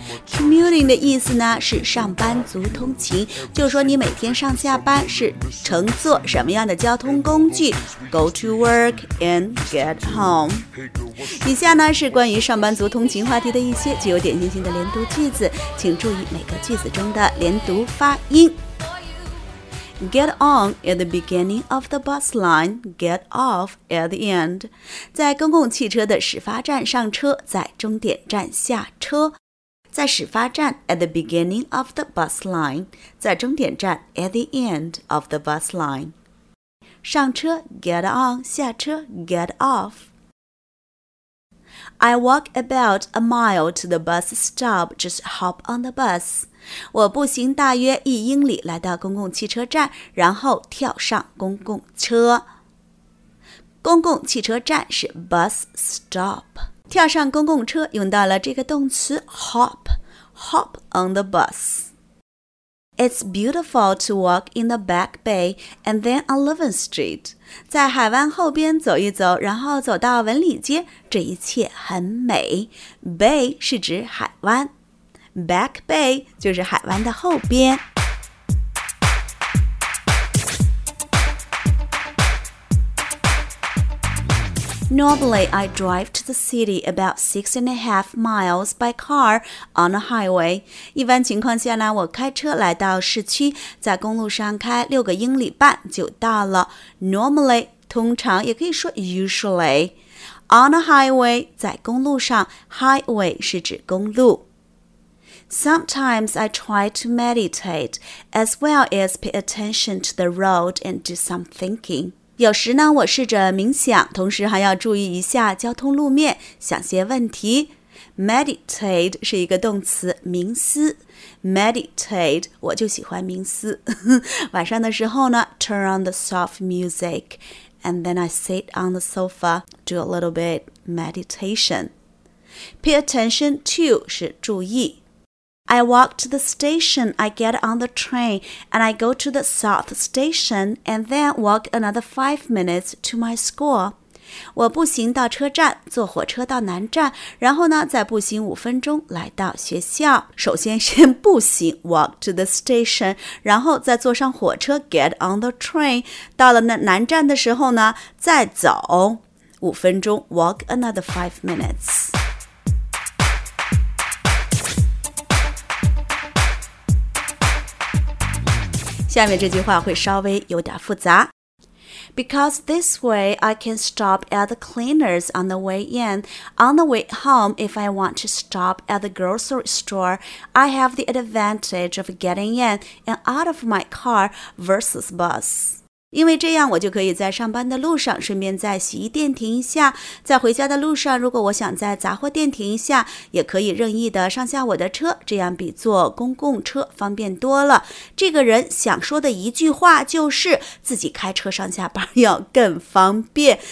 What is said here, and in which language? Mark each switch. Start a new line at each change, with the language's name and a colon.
Chinese: commuting 的意思呢是上班族通勤，就是说你每天上下班是乘坐什么样的交通工具 ？
English: Go to work and get home。
Chinese: 以下呢是关于上班族通勤话题的一些具有点睛性的连读句子，请注意每个句子中的连读发音。
English: Get on at the beginning of the bus line, get off at the end。
Chinese: 在公共汽车的始发站上车，在终点站下车。在始发站
English: at the beginning of the bus line，
Chinese: 在终点站
English: at the end of the bus line。
Chinese: 上车
English: get on，
Chinese: 下车
English: get off。 I walk about a mile to the bus stop, just hop on the bus。
Chinese: 我步行大约一英里来到公共汽车站，然后跳上公共车。公共汽车站是 bus stop。跳上公共车用到了这个动词 hop，
English: hop on the bus。 It's beautiful to walk in the Back Bay and then on Levin Street。
Chinese: 在海湾后边走一走，然后走到文理街，这一切很美。 Bay 是指海湾， Back Bay 就是海湾的后边。
English: Normally, I drive to the city about 6.5 miles by car on a highway.
Chinese: 一般情况下呢，我开车来到市区，在公路上开6.5英里就到了。 Normally, 通常也可以说 usually.
English: On a highway,
Chinese: 在公路上 ,highway 是指公路。
English: Sometimes I try to meditate as well as pay attention to the road and do some thinking.
Chinese: 有时呢，我试着冥想，同时还要注意一下交通路面，想些问题。 Meditate 是一个动词，冥思。Meditate， 我就喜欢冥思。晚上的时候呢
English: ，turn on the soft music， and then I sit on the sofa do a little bit meditation。 Pay attention to
Chinese: 是注意。
English: I walk to the station, I get on the train, and I go to the south station, and then walk another 5 minutes to my school.
Chinese: 我步行到车站，坐火车到南站，然后呢，再步行5分钟来到学校。首先步行
English: walk to the station,
Chinese: 然后再坐上火车
English: get on the train,
Chinese: 到了那南站的时候呢，再走5分钟
English: walk another 5 minutes.
Chinese: 下面这句话会稍微有点复杂。
English: Because this way I can stop at the cleaners on the way in. On the way home, if I want to stop at the grocery store, I have the advantage of getting in and out of my car versus bus.
Chinese: 因为这样我就可以在上班的路上顺便在洗衣店停一下，在回家的路上如果我想在杂货店停一下，也可以任意的上下我的车，这样比坐公共车方便多了。这个人想说的一句话就是自己开车上下班要更方便。